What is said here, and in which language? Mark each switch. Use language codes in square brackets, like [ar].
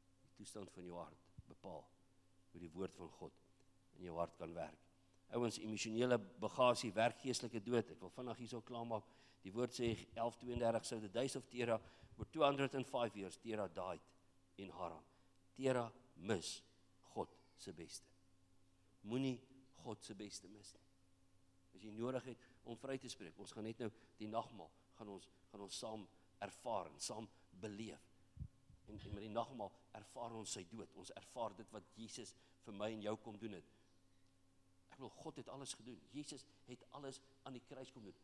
[af] Die toestand van jou hart bepaal hoe die woord van God in jou hart kan werk. Ouens, emosionele bagasie, werk geestelike dood. Ek wil vinnig hierso klaarmaak. Die woord sê [en] 11:32, so the days of Tera were 205 years. Tera died in Haran. [af] Tera mis God se beste. Moenie God se beste mis nie. As jy nodig het om vry te spreek, ons gaan net nou die nagmaal gaan ons saam ervaar en saam beleef. En met die nagmaal ervaar ons sy dood. Ons ervaar dit wat Jesus vir my en jou kom doen het. God het alles gedoen. Jesus het alles aan die kruis kom doen.